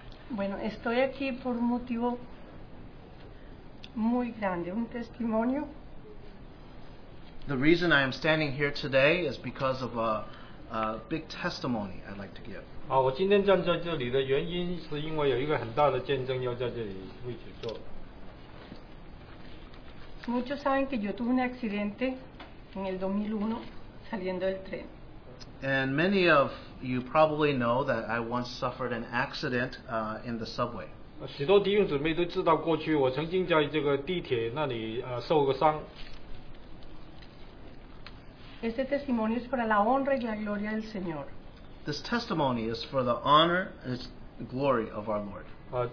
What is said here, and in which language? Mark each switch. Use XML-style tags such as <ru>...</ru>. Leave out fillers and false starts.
<es>Bueno, estoy aquí por un motivo muy grande, un testimonio.</es> <en>The reason I am standing here today is because of a big testimony I'd like to give.</en> <zh>我今天站在这里的原因是因为有一个很大的见证要在这里为主做。</zh> <es>Muchos saben que yo tuve un accidente en el 2001 saliendo del tren.</es> <en>And many of you probably know that I once suffered an accident in the subway.</en> <zh>许多弟兄姊妹都知道过去我曾经在这个地铁那里受过伤。</zh> <es>Este testimonio es para la honra y la gloria del Señor.</es> <en>This testimony is for the honor and glory of our Lord.</en>